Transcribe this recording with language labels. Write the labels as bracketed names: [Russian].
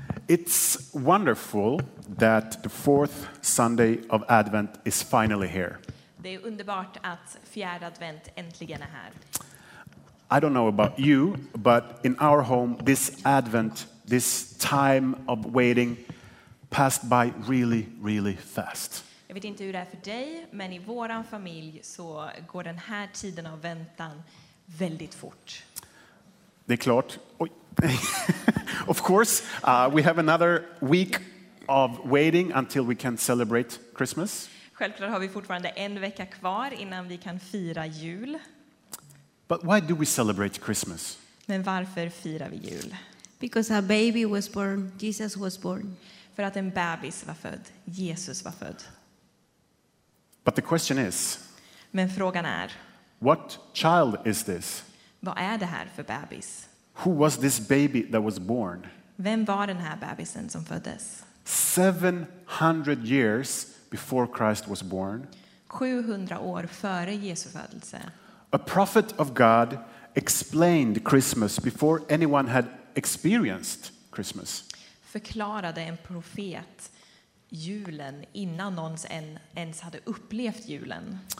[English] It's wonderful that the fourth Sunday of Advent is finally here. [Swedish] Det är underbart att fjärde advent äntligen är här. [English] I don't know about you, but in our home this Advent, this time of waiting passed by really, really fast. [Swedish] Jag vet inte hur det är för dig, men i våran familj så går den här tiden av väntan väldigt fort. Det är klart. Oj. [English] Of course, we have another week of waiting until we can celebrate Christmas. [Swedish] Självklart har vi fortfarande en vecka kvar innan vi kan fira jul. [English] But why do we celebrate Christmas? [Swedish] Men varför firar vi jul? [English] Because a baby was born, Jesus was born. [Swedish] För att en bebis var född, Jesus var född. [English] But the question is, [Swedish] men frågan är, [English] what child is this? [Swedish] Vad är det här för bebis? [English] Who was this baby that was born? [Swedish] Vem var den här bebisen som föddes? [English] 700 years before Christ was born. [Swedish] 700 år före Jesu födelse. [English] A prophet of God explained Christmas before anyone had experienced Christmas. [Swedish] Förklarade en profet julen innan någon ens hade upplevt julen.